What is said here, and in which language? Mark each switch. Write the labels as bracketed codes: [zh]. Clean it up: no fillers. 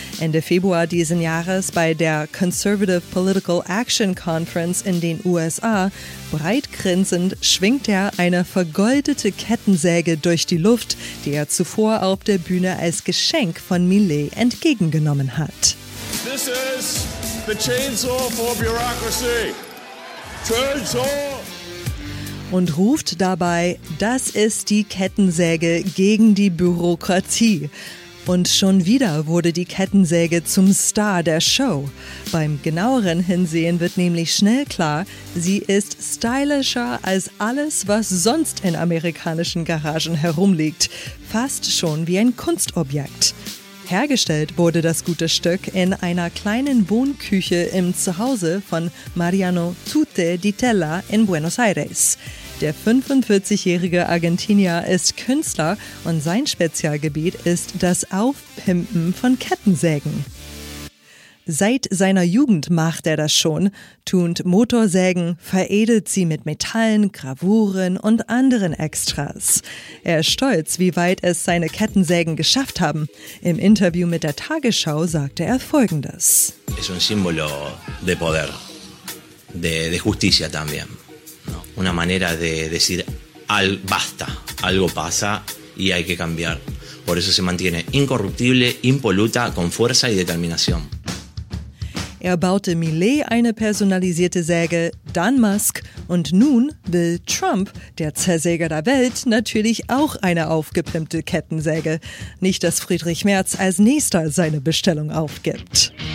[de] Ende Februar diesen Jahres bei der Conservative Political Action Conference in den USA, breitgrinsend, schwingt er eine vergoldete Kettensäge durch die Luft, die er zuvor auf der Bühne als Geschenk von Milei entgegengenommen hat. [en] This is the chainsaw for bureaucracy. Chainsaw! [de] Und ruft dabei, das ist die Kettensäge gegen die Bürokratie. Und schon wieder wurde die Kettensäge zum Star der Show. Beim genaueren Hinsehen wird nämlich schnell klar, sie ist stylischer als alles, was sonst in amerikanischen Garagen herumliegt. Fast schon wie ein Kunstobjekt. Hergestellt wurde das gute Stück in einer kleinen Wohnküche im Zuhause von Mariano Tute di Tella in Buenos Aires. Der 45-jährige Argentinier ist Künstler und sein Spezialgebiet ist das Aufpimpen von Kettensägen. Seit seiner Jugend macht er das schon, tunt Motorsägen, veredelt sie mit Metallen, Gravuren und anderen Extras. Er ist stolz, wie weit es seine Kettensägen geschafft haben. Im Interview mit der Tagesschau sagte er Folgendes. [es] Es un símbolo de poder, de justicia también. Una manera de decir basta, algo pasa y hay que cambiar. Por eso se mantiene incorruptible, impoluta, con fuerza y determinación. [de] Er baute Milei eine personalisierte Säge, dann Musk und nun will Trump, der Zersäger der Welt, natürlich auch eine aufgepimpte Kettensäge. Nicht, dass Friedrich Merz als nächster seine Bestellung aufgibt.